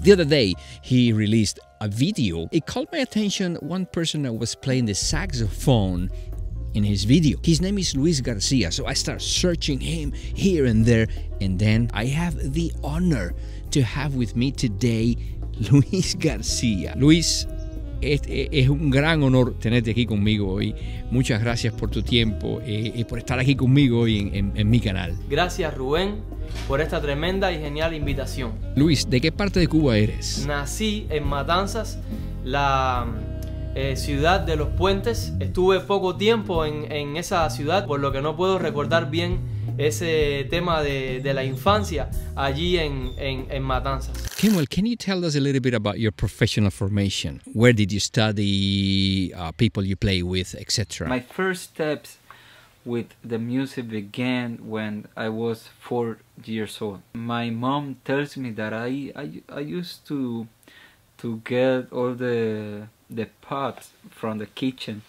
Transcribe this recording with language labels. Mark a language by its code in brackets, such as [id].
[en] The other day, he released a video. It caught my attention, one person that was playing the saxophone in his video. His name is Luis García, so I start searching him here and there, and then I have the honor to have with me today Luis García. [es] Luis, es un gran honor tenerte aquí conmigo hoy. Muchas gracias por tu tiempo y por estar aquí conmigo hoy en mi canal. Gracias, Rubén, por esta tremenda y genial invitación. Luis, ¿de qué parte de Cuba eres? Nací en Matanzas, la ciudad de los puentes. Estuve poco tiempo en esa ciudad, por lo que no puedo recordar bien ese tema de la infancia allí en Matanzas. [en] Kemuel, can you tell us a little bit about your professional formation? Where did you study, people you play with, etc.? My first steps with the music began when I was 4 years old. My mom tells me that I used to get all the pots from the kitchen.